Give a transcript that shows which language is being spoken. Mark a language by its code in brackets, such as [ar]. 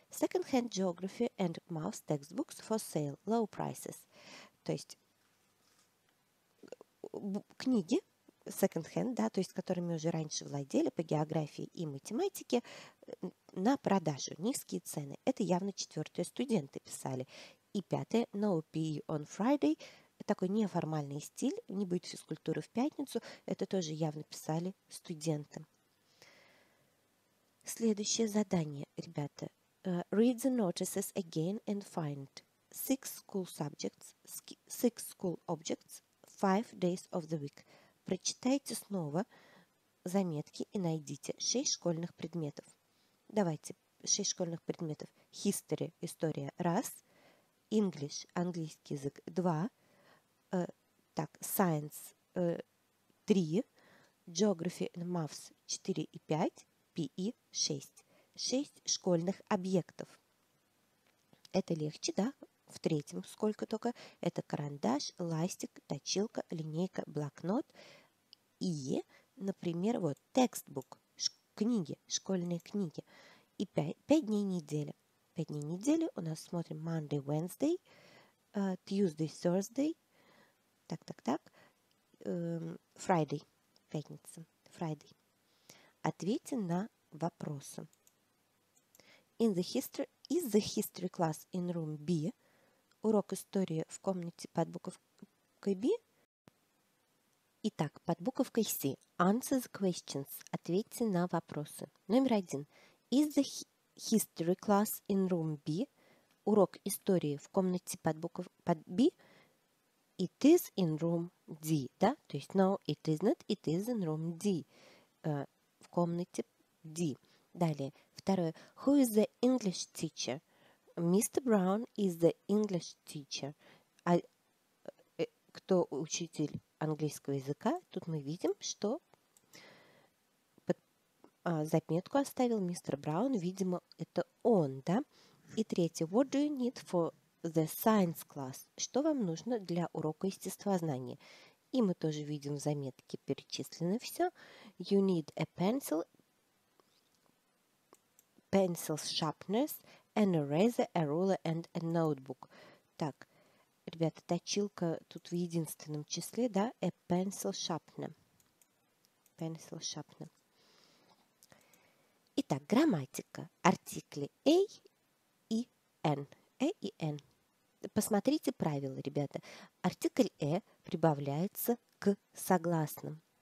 [en] Second-hand geography and maths textbooks for sale. Low prices. [ru] То есть книги second-hand, да, то есть которыми уже раньше владели по географии и математике, на продажу. Низкие цены. Это явно четвертое. Студенты писали. И пятое. [en] No PE on Friday. [ru] Такой неформальный стиль. Не будет физкультуры в пятницу. Это тоже явно писали студенты. Следующее задание, ребята. [en] Read the notices again and find six school subjects, six school objects, five days of the week. [ru] Прочитайте снова заметки и найдите шесть школьных предметов. Давайте, шесть школьных предметов. History, история, раз. English, английский язык, два. Так, science, три. [en] Geography and maths, 4 и 5. И 6. [ru] 6 школьных объектов. Это легче, да? В третьем сколько только? Это карандаш, ластик, точилка, линейка, блокнот. И, например, вот текстбук, книги, школьные книги. И 5 дней недели. 5 дней недели у нас смотрим Monday, Wednesday, Tuesday, Thursday, так-так-так, Friday, пятница, Friday. Ответьте на вопросы. [en] In the history, is the history class in room B? [ru] Урок истории в комнате под буковкой B? Итак, под буковкой C. [en] Answer the questions. [ru] Ответьте на вопросы. Номер один. [en] Is the history class in room B? [ru] Урок истории в комнате под буковкой под B? [en] It is in room D. [ru] Да? То есть, [en] no, it is not. It is in room D. [ru] В комнате D. Далее. Второе. [en] Who is the English teacher? Mr. Brown is the English teacher. [ru] А кто учитель английского языка? Тут мы видим, что заметку оставил мистер Браун. Видимо, это он, да? И третье. [en] What do you need for the science class? [ru] Что вам нужно для урока естествознания? И мы тоже видим в заметке перечислено все. [en] You need a pencil. Pencils, sharpness, an eraser, a ruler and a notebook. [ru] Так, ребята, точилка тут в единственном числе, да? [en] A pencil, sharpener. Pencil, sharpener. [ru] Итак, грамматика. Артикли A и N. A и N. Посмотрите правила, ребята. Артикль E прибавляется к согласным.